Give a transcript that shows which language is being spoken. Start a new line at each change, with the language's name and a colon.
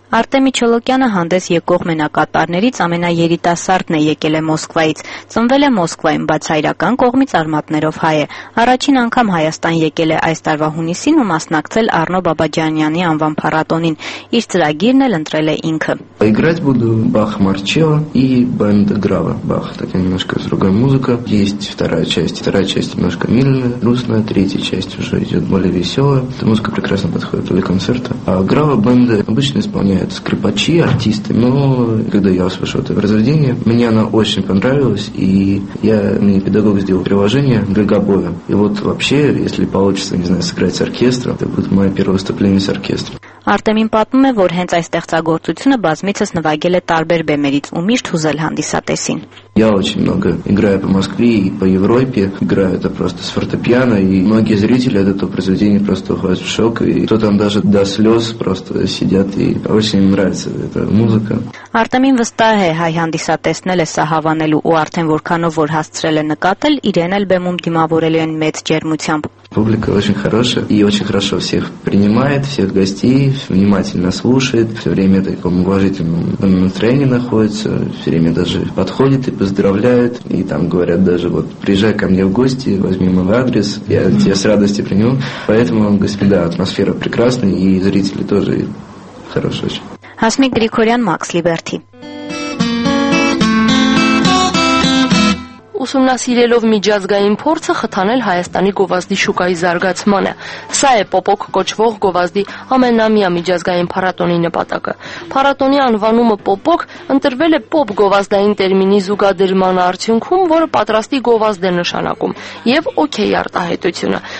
Armenian: Արտեմի Չոլոկյանը հանդես եկող մենակատարներից ամենաերիտասարդն է, եկել է Մոսկվայից, ծնվել է Մոսկվայում, բայց հայրական կողմից արմատներով հայ է։ Առաջին անգամ Հայաստան եկել է այս տարվա հունիսին ու մասնակցել Արնո Բաբաջանյանի անվան փառատոնին, իր ծրագիրն էլ ընտրել է ինքը։
Russian: Играть буду Бах Марчио и Бенд Грава Бах. Такая немножко другая музыка. Есть вторая часть немножко мирная, грустная, третья часть уже идет более веселая. Эта музыка прекрасно подходит для концерта. А Грава Бенд обычно исполняют скрипачи, артисты. Но когда я услышал это произведение, мне она очень понравилась. И я, мне педагог сделал приложение для Габоя. И вот вообще, если получится, не знаю, сыграть с оркестром, это будет мое первое выступление с оркестром.
Armenian: Արտեմին պատմում է, որ հենց այս ստեղծագործությունը բազմիցս նվագել է տարբեր բեմերից ու միշտ հուզել հանդիսատեսին։
Russian: Я очень много играю по Москве и по Европе. Играю это просто с фортепиано, и многие зрители от этого произведения просто уходят в шок, и кто там даже до слез просто сидят, и очень им нравится эта музыка.
Armenian: Արտեմին վստահ է, հայ հանդիսատեսները սա հավանելու ու արդեն որքանով որ հասցրել է նկատել, իրեն էլ բեմում դիմավորելու են մեծ ջերմությամբ։
Russian: Публика очень хорошая и очень хорошо всех принимает, всех гостей, внимательно слушает, все время в таком уважительном настроении находится, все время даже подходит и поздравляет, и там говорят даже, вот приезжай ко мне в гости, возьми мой адрес, я тебя с радостью приму. Поэтому, господа, атмосфера прекрасная и зрители тоже хорошие очень.
Armenian: Հասմիկ Գրիգորյան, Մաքս Լիբերթի. Ուսումնասիրելով միջազգային փորձը խթանել Հայաստանի գովազդի շուկայի զարգացմանը, սա է Պոպոկ կոչվող գովազդի ամենամյա միջազգային փառատոնի նպատակը։ Փառատոնի անվանումը Պոպոկ ընտրվել է Պոպ գովազդային տերմինի զուգադրման արդյունքում, որը պատրաստի գովազդ է նշանակում, և օքեյ արտահայտությունը։